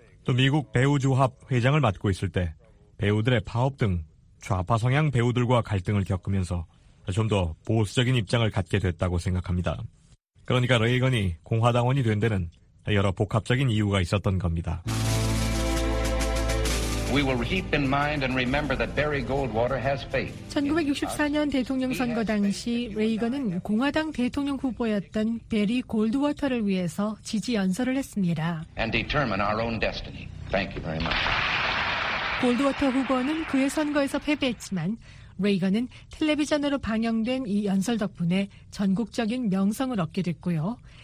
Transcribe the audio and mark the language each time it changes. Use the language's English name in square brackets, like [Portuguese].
[Korean] 또 미국 배우조합 회장을 맡고 있을 때 배우들의 파업 등 좌파 성향 배우들과 갈등을 겪으면서 좀 더 보수적인 입장을 갖게 됐다고 생각합니다. 그러니까 레이건이 공화당원이 된 데는 여러 복합적인 이유가 있었던 겁니다. [English] We will keep in mind and remember that Barry Goldwater has faith. [Korean] 1964년 대통령 선거 당시 레이건은 공화당 대통령 후보였던 베리 골드워터를 위해서 지지 연설을 했습니다. [English] And determine our own destiny. Thank you very much. [Korean] 골드워터 후보는 그의 선거에서 패배했지만 레이건은 텔레비전으로 방영된 이 연설 덕분에 전국적인 명성을 얻게 됐고요.